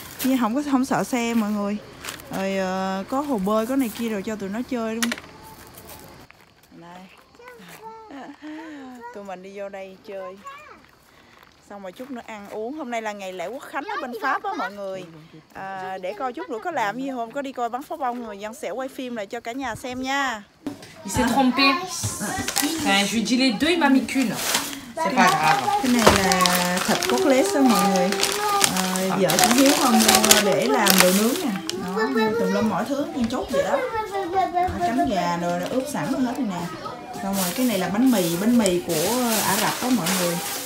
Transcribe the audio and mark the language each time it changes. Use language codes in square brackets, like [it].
[vi] Nhưng không có không sợ xe mọi người. Rồi có hồ bơi có này kia rồi cho tụi nó chơi luôn. Đây. Tụi mình đi vô đây chơi. Xong rồi chút nữa ăn uống. Hôm nay là ngày lễ Quốc Khánh ở bên Pháp á mọi người. Để coi chút nữa có làm gì không. Có đi coi bắn pháo bông người dân sẽ quay phim lại cho cả nhà xem nha. [fr] Il s'est trompé. Je lui dis les deux, il m'a mis qu'une. C'est pas grave. [vi] Cái này là thịt cốt lết á mọi người. Vợ cũng hiếu không để làm đồ nướng nè. Đó, tùm lum mọi thứ, nhìn chốt vậy đó. Cánh gà rồi nó ướp sẵn hết rồi nè. Xong rồi cái này là bánh mì của Ả Rập đó mọi người.